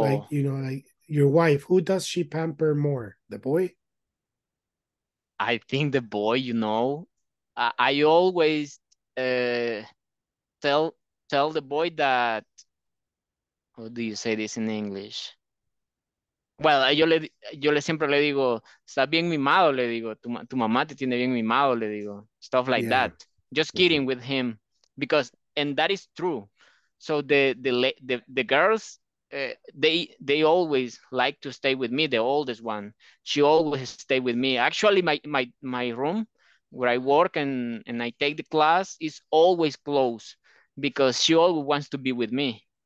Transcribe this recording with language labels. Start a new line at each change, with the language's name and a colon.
English: Like, you know, like your wife, who does she pamper more, the boy? I think the boy, you know. I always tell the boy that, how do you say this in English?
Spanish: Well, yo le siempre le digo, está bien mimado, le digo, tu mamá te tiene bien mimado, le digo.
English: Stuff like yeah. that. Just kidding mm-hmm. with him. Because and that is true. So the girls they always like to stay with me. The oldest one, she always stay with me. Actually, my room where I work and I take the class is always closed because she always wants to be with me.